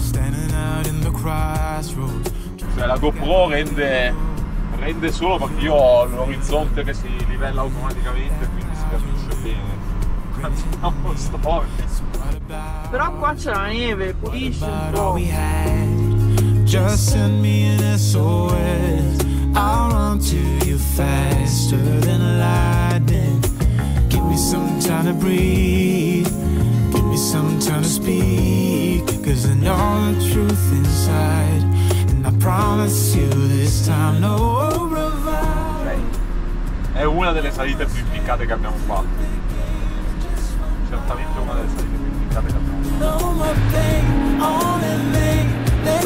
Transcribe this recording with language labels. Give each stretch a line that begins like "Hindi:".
Italian: Cioè, la GoPro rende solo perché io ho l'orizzonte che si livella automaticamente, quindi si capisce bene. Andiamo storti. Però qua c'è la neve, pulisce un po'.
English: Just send me an SOS. I'll run to you faster than lightning. Give me some time to breathe. Give me some time to speak. Cause I know the truth inside. And I promise you this time no revival.
Italian: È una delle salite più impiccate che abbiamo fatto. Certamente una delle salite più impiccate che abbiamo fatto.
English: No more pain, only me.